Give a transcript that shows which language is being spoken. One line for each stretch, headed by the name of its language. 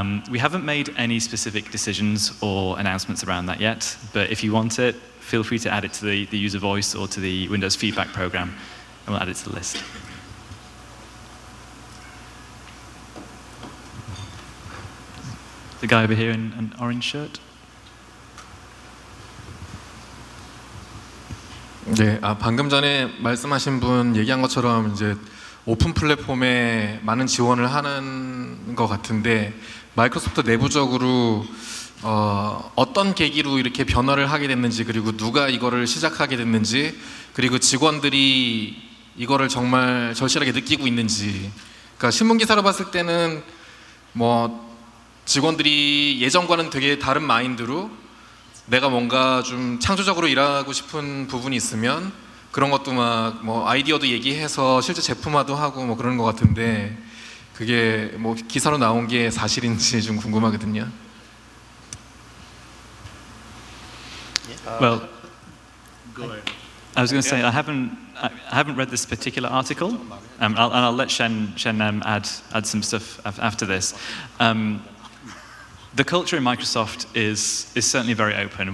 English: We haven't made any specific decisions or announcements around that yet, but if you want it, feel free to add it to the user voice or to the Windows feedback program, and we'll add it to the list. The guy over here in an orange shirt.
Korean: 네, 아 방금 전에 말씀하신 분 얘기한 것처럼 이제 오픈 플랫폼에 많은 지원을 하는 것 같은데 마이크로소프트 내부적으로 어떤 계기로 이렇게 변화를 하게 됐는지 그리고 누가 이거를 시작하게 됐는지 그리고 직원들이 이거를 정말 절실하게 느끼고 있는지 그러니까 신문 기사로 봤을 때는 뭐 직원들이 예전과는 되게 다른 마인드로 내가 뭔가 좀 창조적으로 일하고 싶은 부분이 있으면 그런 것도 막 뭐 아이디어도 얘기해서 실제 제품화도 하고 뭐 그러는 것 같은데 그게 뭐 기사로 나온 게 사실인지 좀 궁금하거든요.
English: Well, go ahead. I was going to say I haven't read this particular article, and I'll let Shen add some stuff after this. The culture in Microsoft is certainly very open.